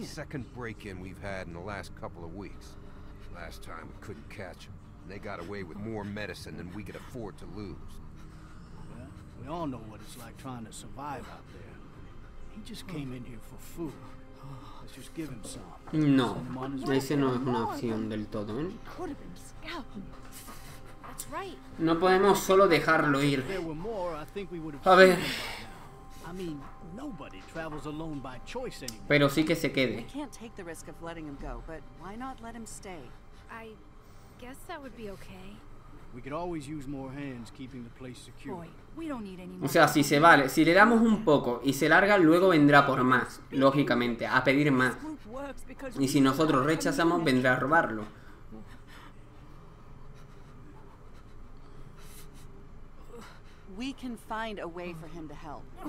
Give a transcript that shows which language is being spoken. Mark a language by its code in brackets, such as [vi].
[en] The second break-in we've had in the last couple of weeks. Last time we couldn't catch him. They got away with more medicine than we could afford to lose. Well, we all know what it's like trying to survive out there. He just came in here for food. Let's just give him some. [es] No, ese no es una opción del todo, ¿eh? [en] That's right. [es] No podemos solo dejarlo ir. A ver. [en] I mean, nobody travels alone by choice anymore. [es] Pero sí que se quede. [en] We can't take the risk of letting him go, but why not let him stay? I guess that would be okay. We could always use more hands keeping the place secure. Boy, we don't need any [es] more. O sea, si se vale, si le damos un poco y se larga, luego vendrá por más, lógicamente, a pedir más. Y si nosotros rechazamos, vendrá a robarlo. [en] We can find a way for him to help.